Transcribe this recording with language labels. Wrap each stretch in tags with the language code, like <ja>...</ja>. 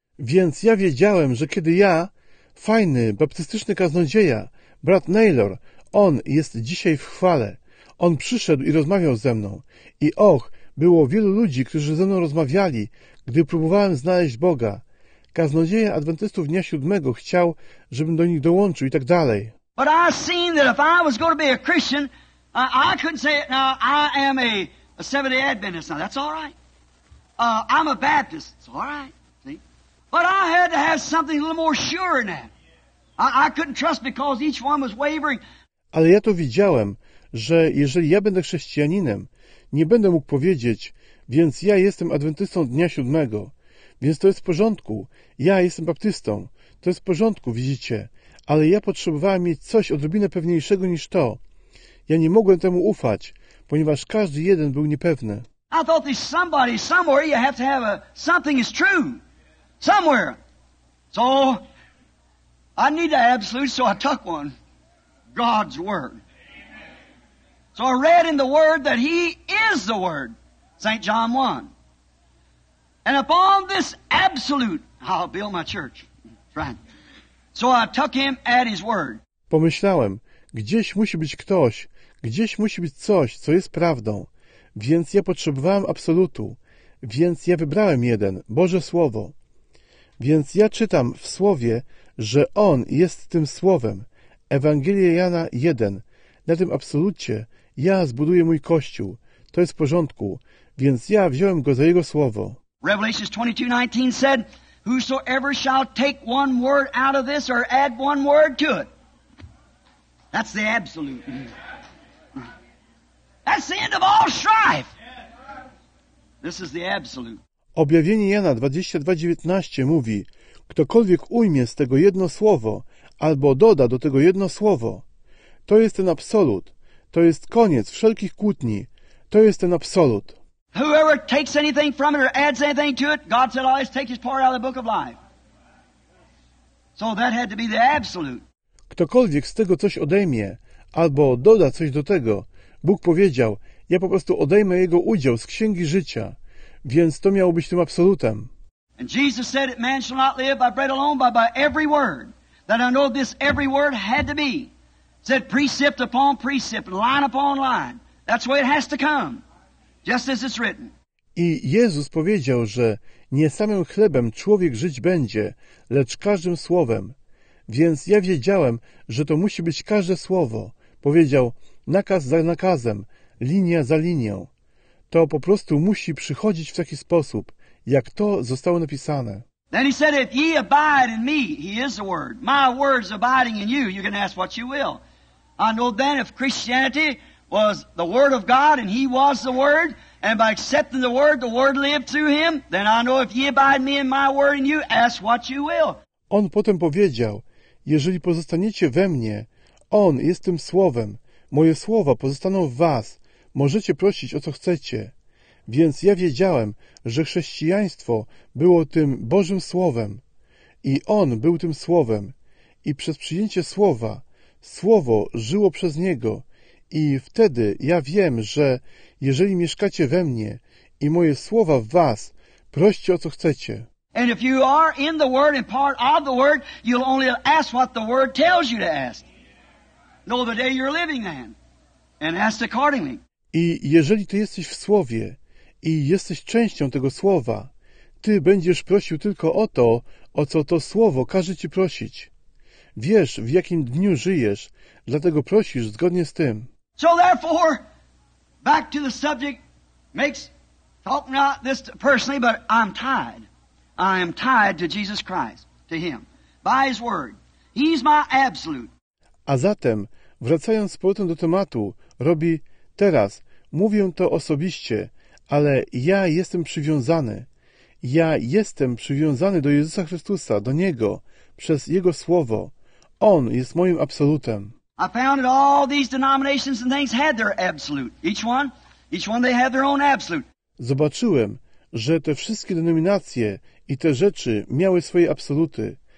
<pl>Więc ja wiedziałem, że kiedy ja, fajny, baptystyczny kaznodzieja, brat Naylor, on jest dzisiaj w chwale. On przyszedł i rozmawiał ze mną. I och, było wielu ludzi, którzy ze mną rozmawiali, gdy próbowałem znaleźć Boga. Kaznodzieja Adwentystów Dnia Siódmego chciał, żebym do nich dołączył i tak dalej.</pl> <en>But I seen that if I was going to be a Christian, I couldn't say it now, I am a Seventh-day Adventist. Now, that's all right. I'm a Baptist. It's all right. See? But I had to have something a little more sure in that. I couldn't trust because each one was wavering.</en> <pl>Ale ja to widziałem, że jeżeli ja będę chrześcijaninem, nie będę mógł powiedzieć, więc ja jestem Adwentystą Dnia Siódmego. Więc to jest w porządku. Ja jestem Baptystą. To jest w porządku, widzicie. Ale ja potrzebowałem mieć coś odrobinę pewniejszego niż to. Ja nie mogłem temu ufać, ponieważ każdy jeden był niepewny.</pl> <en>I thought there's somebody somewhere you have to have a something is true. Somewhere. So I need the absolute, so I took one. God's word. So I read in the word that he is the word. St. John 1. And upon this absolute, I'll build my church. Right. So I took him at his word.</en> <pl>Pomyślałem, gdzieś musi być ktoś, gdzieś musi być coś, co jest prawdą. Więc ja potrzebowałem absolutu. Więc ja wybrałem jeden, Boże Słowo. Więc ja czytam w Słowie, że On jest tym Słowem. Ewangelia Jana 1. Na tym absolucie ja zbuduję mój Kościół. To jest w porządku. Więc ja wziąłem go za Jego Słowo.</pl> <en>Revelation 22:19 said, whosoever shall take one word out of this or add one word to it. That's the absolute. That's the end of all strife. This is the absolute.</en> <pl>Objawienie Jana 22:19 mówi, ktokolwiek ujmie z tego jedno słowo albo doda do tego jedno słowo, to jest ten absolut. To jest koniec wszelkich kłótni. To jest ten absolut.</pl> <en>Whoever takes anything from it or adds anything to it, God said, always take his part out of the book of life. So that had to be the absolute.</en> <pl>Ktokolwiek z tego coś odejmie, albo doda coś do tego, Bóg powiedział, ja po prostu odejmę jego udział z księgi życia. Więc to miało być tym absolutem.</pl> <en>And Jesus said that man shall not live by bread alone, but by every word. That I know this every word had to be. Said precept upon precept, line upon line. That's the way it has to come. Just as it's written.</en> <pl>I Jezus powiedział, że nie samym chlebem człowiek żyć będzie, lecz każdym słowem. Więc ja wiedziałem, że to musi być każde słowo. Powiedział, nakaz za nakazem, linia za linią. To po prostu musi przychodzić w taki sposób, jak to zostało napisane.</pl> <en>Then he said, if ye abide in me, he is the word. My words abiding in you, you can ask what you will. I know then if Christianity was the word of God and he was the word, and by accepting the word lived through him, then I know if ye abide me in my word in you, ask what you will.</en> <pl>On potem powiedział, jeżeli pozostaniecie we mnie, on jest tym słowem, moje słowa pozostaną w was, możecie prosić o co chcecie. Więc ja wiedziałem, że chrześcijaństwo było tym Bożym Słowem i on był tym słowem i przez przyjęcie słowa, słowo żyło przez niego. I wtedy ja wiem, że jeżeli mieszkacie we mnie i moje słowa w was, proście o co chcecie.</pl> <en>And if you are in the Word and part of the Word, you'll only ask what the Word tells you to ask. Know the day you're living in. And ask accordingly.</en> <pl>I jeżeli ty jesteś w Słowie i jesteś częścią tego Słowa, ty będziesz prosił tylko o to, o co to Słowo każe ci prosić. Wiesz, w jakim dniu żyjesz, dlatego prosisz zgodnie z tym.</pl> <en>So therefore, back to the subject, makes talk not this personally, but I'm tied. I am tied to Jesus Christ, to Him, by His Word. He's my absolute.</en> <pl>A zatem, wracając z powrotem do tematu, robi teraz, mówię to osobiście, ale ja jestem przywiązany. Ja jestem przywiązany do Jezusa Chrystusa, do Niego, przez Jego Słowo. On jest moim absolutem.</pl> <en>I found that all these denominations and things had their absolute. Each one they had their own absolute.</en> <pl>Zobaczyłem, że te wszystkie denominacje i te rzeczy miały swoje absoluty.</pl>